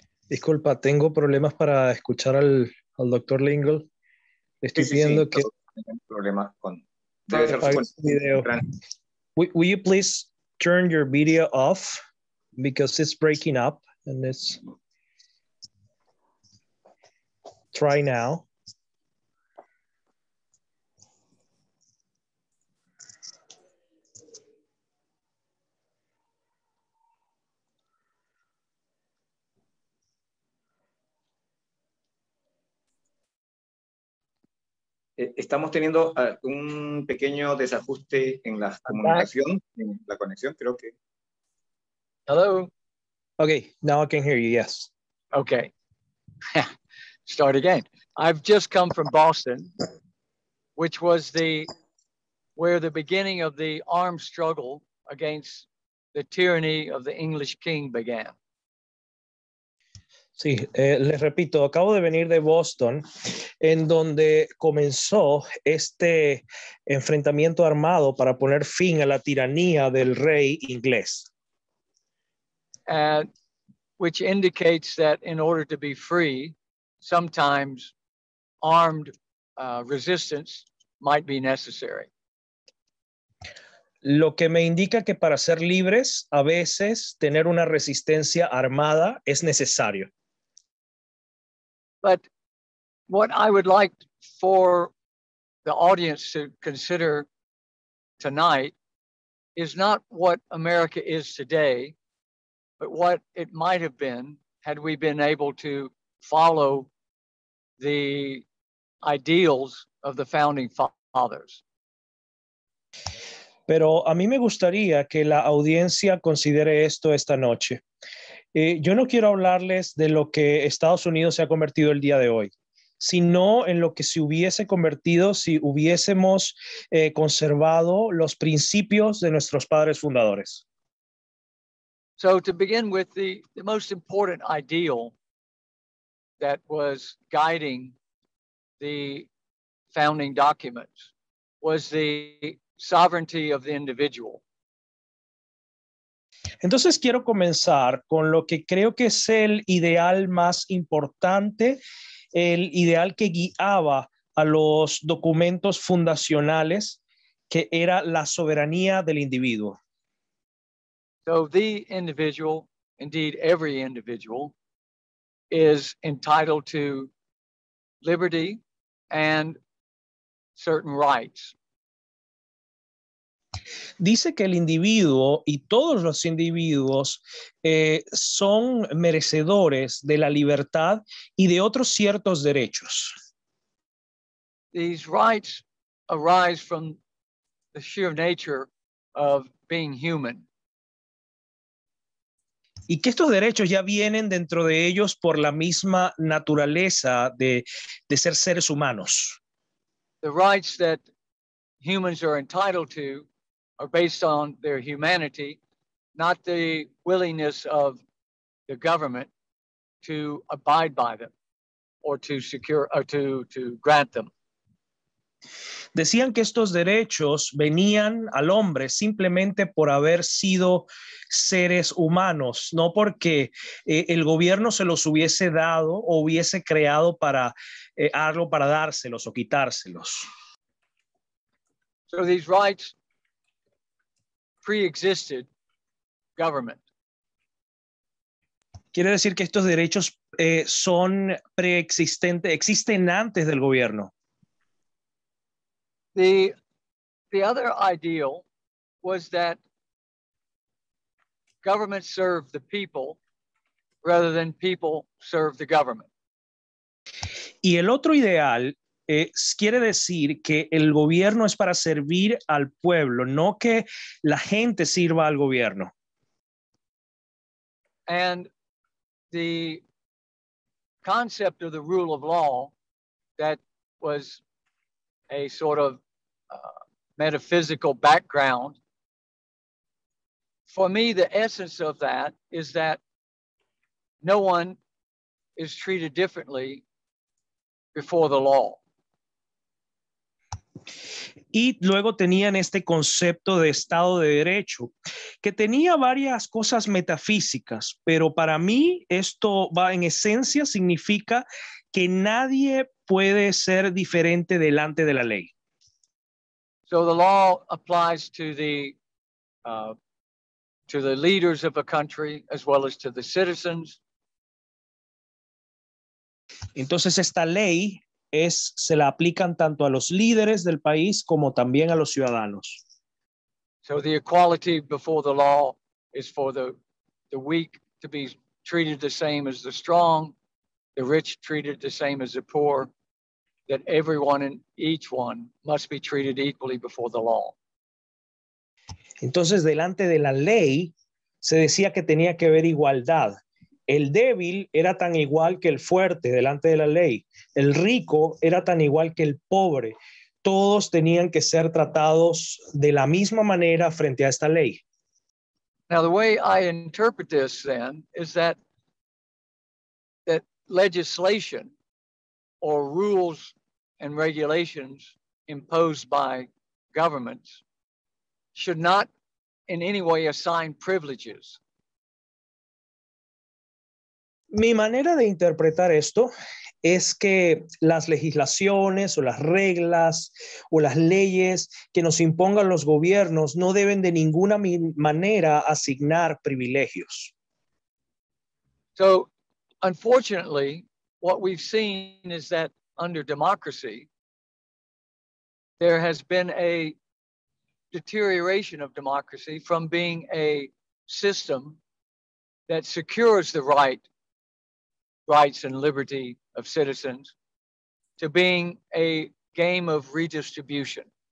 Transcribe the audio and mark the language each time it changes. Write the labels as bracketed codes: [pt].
[es] Disculpa, tengo problemas para escuchar al doctor Lingle. Estoy pidiendo que... problemas con... video. [en] Will you please turn your video off? Because it's breaking up and it's... Try now. [es] Estamos teniendo un pequeño desajuste en la comunicación, en la conexión, creo que. [en] Hello. Okay, now I can hear you, yes. Okay. Start again. I've just come from Boston, which was the beginning of the armed struggle against the tyranny of the English king began. [es] Sí, les repito, acabo de venir de Boston, en donde comenzó este enfrentamiento armado para poner fin a la tiranía del rey inglés. [en] Which indicates that in order to be free, sometimes armed resistance might be necessary. [es] Lo que me indica que para ser libres, a veces tener una resistencia armada es necesario. [en] But what I would like for the audience to consider tonight is not what America is today, but what it might have been had we been able to follow the ideals of the founding fathers. [es] Pero a mí me gustaría que la audiencia considere esto esta noche. Yo no quiero hablarles de lo que Estados Unidos se ha convertido el día de hoy, sino en lo que se hubiese convertido si hubiésemos conservado los principios de nuestros padres fundadores. [en] So to begin with, the most important ideal that was guiding the founding documents was the sovereignty of the individual. [es] Entonces quiero comenzar con lo que creo que es el ideal más importante, el ideal que guiaba a los documentos fundacionales, que era la soberanía del individuo. [en] So the individual, indeed every individual, is entitled to liberty and certain rights. [es] Dice que el individuo y todos los individuos son merecedores de la libertad y de otros ciertos derechos. [en] These rights arise from the sheer nature of being human. [es] Y que estos derechos ya vienen dentro de ellos por la misma naturaleza de ser seres humanos. [en] The rights that humans are entitled to are based on their humanity, not the willingness of the government to abide by them or to secure or to grant them. [es] Decían que estos derechos venían al hombre simplemente por haber sido seres humanos, no porque el gobierno se los hubiese dado o hubiese creado para algo para dárselos o quitárselos. [en] So these rights pre-existed government. [es] Quiere decir que estos derechos son preexistentes, existen antes del gobierno. [en] The other ideal was that government serve the people rather than people serve the government. [es] Y el otro ideal quiere decir que el gobierno es para servir al pueblo, no que la gente sirva al gobierno. [en] And the concept of the rule of law that was a sort of metaphysical background. For me, the essence of that is that no one is treated differently before the law. [es] Y luego tenían este concepto de estado de derecho, que tenía varias cosas metafísicas, pero para mí esto va en esencia significa que nadie puede ser diferente delante de la ley. [en] So the law applies to the leaders of a country as well as to the citizens. [es] Entonces esta ley es se la aplican tanto a los líderes del país como también a los ciudadanos. [en] So the equality before the law is for the weak to be treated the same as the strong, the rich treated the same as the poor. That everyone and each one must be treated equally before the law. [es] Entonces, delante de la ley, se decía que tenía que haber igualdad. El débil era tan igual que el fuerte delante de la ley. El rico era tan igual que el pobre. Todos tenían que ser tratados de la misma manera frente a esta ley. [en] Now, the way I interpret this then is that legislation or rules and regulations imposed by governments should not in any way assign privileges. [es] Mi manera de interpretar esto es que las legislaciones o las reglas o las leyes que nos impongan los gobiernos no deben de ninguna manera asignar privilegios. [en] So, unfortunately, what we've seen is that under democracy, there has been a deterioration of democracy from being a system that secures the rights and liberty of citizens to being a game of redistribution.